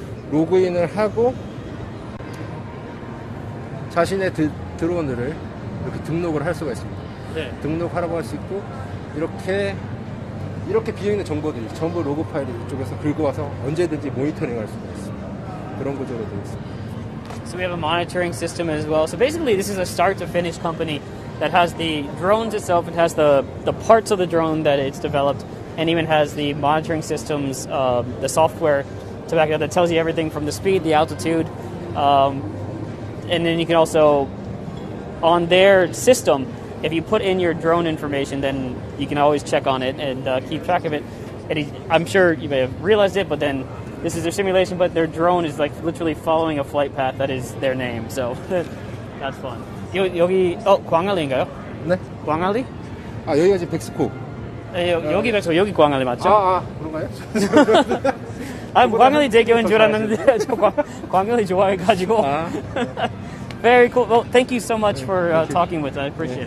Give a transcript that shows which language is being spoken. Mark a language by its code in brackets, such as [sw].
[ko] 로그인을 하고 자신의 드론을 이렇게 등록을 할 수가 있습니다. 네. 등록하라고 할 수 있고 이렇게 비어 있는 정보들이 전부 로그 파일을 이쪽에서 긁어 와서 언제든지 모니터링할 수가 있습니다. 그런 구조로 되어 있습니다. [en] So we have a monitoring system as well. So basically, this is a start to finish company that has the drones itself. It has the parts of the drone that it's developed, and even has the monitoring systems, the software to back it up that tells you everything from the speed, the altitude. And then you can also, on their system, if you put in your drone information, then you can always check on it and keep track of it. And I'm sure you may have realized it, but then this is their simulation, but their drone is like literally following a flight path that is their name. So that's fun. [ko] 여기, 광안리인가요? 네. 광안리? 아, 여기가 지금 백스코. 여기 백스코, 여기 광안리 맞죠? 아, 그런가요? 아, 광안리 대교인 줄 알았는데 저 광안리 좋아해가지고 아, 네. [en] Very cool. Well, thank you so much for talking with us. I appreciate